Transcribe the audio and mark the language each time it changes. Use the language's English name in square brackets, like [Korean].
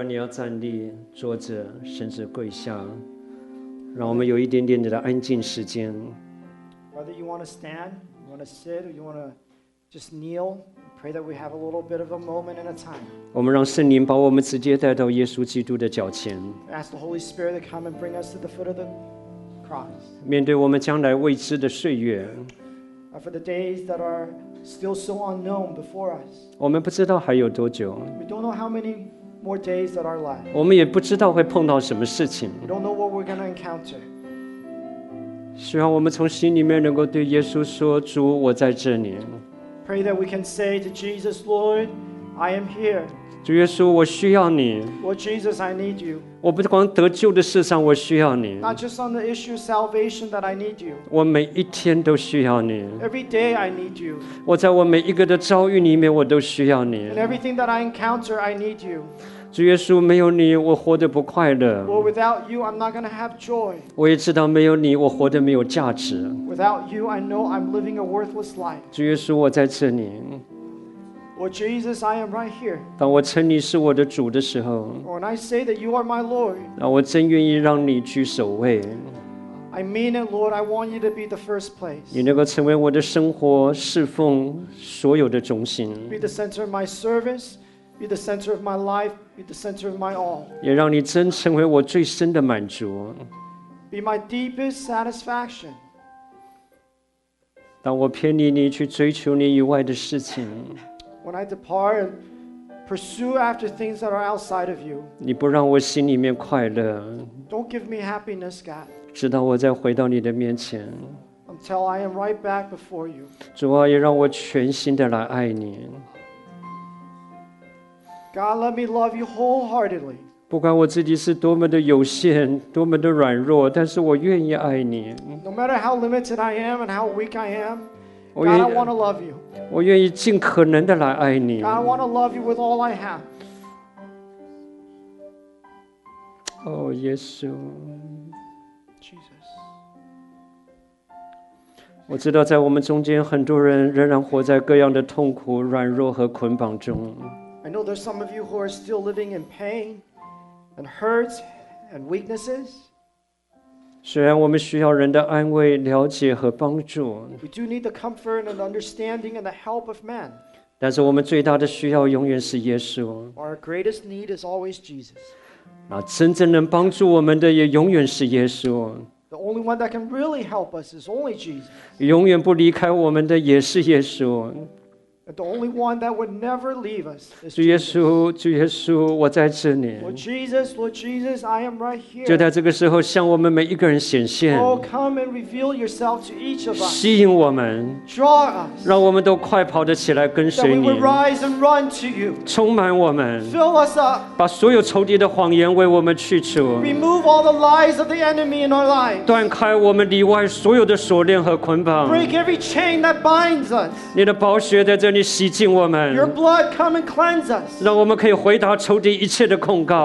[Chinese] 站立、坐着，甚至跪下，让我们有一点点的安静时间。 [English] Whether you want to stand, you want to sit, or you want to just kneel, pray that we have a little bit of a moment and a time. [Chinese] 我们让圣灵把我们直接带到耶稣基督的脚前。 [English] Ask the Holy Spirit to come and bring us to the foot of the cross. [Chinese] 面对我们将来未知的岁月。 [English] For the days that are still so unknown before us. [Chinese] 我们不知道还有多久。 [English] We don't know how many. More days that are left. [Chinese] 我们也不知道会碰到什么事情。 [English] We don't know what we're going to encounter. [Chinese] 希望我们从心里面能够对耶稣说：“主，我在这里。” [English] Pray that we can say to Jesus, Lord, I am here. [Chinese] 主耶稣，我需要你。 [English] Lord Jesus, I need you. [Chinese] 我不光得救的事上我需要你。 [English] Not just on the issue of salvation that I need you. [Chinese] 我每一天都需要你。 [English] Every day I need you. [Chinese] 我在我每一个的遭遇里面我都需要你。 [English] And everything that I encounter, I need you. [Chinese] 主耶稣，没有你，我活得不快乐。 [English] Lord, without you, I'm not going to have joy. [Chinese] 我也知道没有你，我活得没有价值。 [English] Without you, I know I'm living a worthless life. [Chinese] 主耶稣，我在这里。 [English] Well, Jesus, I am right here. [Chinese] 当我称你是我的主的时候， [English] When I say that you are my Lord, [Chinese] 那我真愿意让你居首位。 [English] I mean it, Lord, I want you to be the first place. [Chinese] 你能够成为我的生活、侍奉所有的中心。 [English] Be the center of my service, be the center of my life, be the center of my all. [Chinese] 也让你真成为我最深的满足。 [English] Be my deepest satisfaction. [Chinese] 当我偏离你去追求你以外的事情， [English] When I depart and pursue after things that are outside of you, [Chinese] 你不让我心里面快乐， [English] Don't give me happiness, God. [Chinese] 直到我再回到你的面前， [English] Until I am right back before you. [Chinese] 主啊，也让我全心的来爱你。 [English] God, let me love you wholeheartedly. [Chinese] 不管我自己是多么的有限，多么的软弱，但是我愿意爱你。 [English] No matter how limited I am and how weak I am, God, I want to love you. [Chinese] 我愿意尽可能的来爱你。 [English] God, I want to love you with all I have. Oh, Jesus. Jesus. [Chinese] 我知道在我们中间，很多人仍然活在各样的痛苦、软弱和捆绑中。 [English] I know there's some of you who are still living in pain. And hurts and weaknesses. [Chinese] 虽然我们需要人的安慰、了解和帮助， [English] we do need the comfort and understanding and the help of men. [Chinese] 但是我们最大的需要永远是耶稣。 [English] Our greatest need is always Jesus. [Chinese] 那真正能帮助我们的也永远是耶稣。 [English] The only one that can really help us is only Jesus. [Chinese] 永远不离开我们的也是耶稣。 [English] The only one that would never leave us is Jesus. [Chinese] 主耶稣，主耶稣，我在这里。 [English] Lord Jesus, Lord Jesus, I am right here. [Chinese] 就在这个时候，向我们每一个人显现。 [English] Oh, come and reveal yourself to each of us. [Chinese] 吸引我们。 [English] Draw us. [Chinese] 让我们都快跑得起来跟随你。 [English] That we would rise and run to you. [Chinese] 充满我们。 [English] Fill us up. [Chinese] 把所有仇敌的谎言为我们去除。 [English] Remove all the lies of the enemy in our lives. [Chinese] 断开我们里外所有的锁链和捆绑。 [English] Break every chain that binds us. [Chinese] 你的宝血在这里。洗净我们， [English] Your blood come and cleanse us, [Chinese] 让我们可以回答仇敌一切的控告，